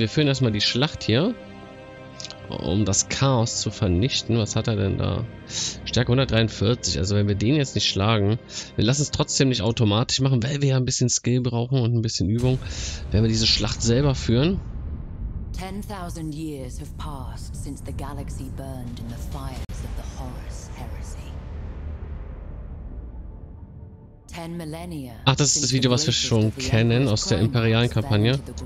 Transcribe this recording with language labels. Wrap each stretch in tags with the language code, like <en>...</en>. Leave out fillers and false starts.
<de>Wir führen erstmal die Schlacht hier, um das Chaos zu vernichten. Was hat er denn da? Stärke 143. Also wenn wir den jetzt nicht schlagen, wir lassen es trotzdem nicht automatisch machen, weil wir ja ein bisschen Skill brauchen und ein bisschen Übung, wenn wir diese Schlacht selber führen.</de> <en>10,000 years have passed since the galaxy burned in the fires of the Horus Heresy. 10 millennia.</en> <de>Ach, das ist das Video, was wir schon kennen aus der imperialen Kampagne.</de>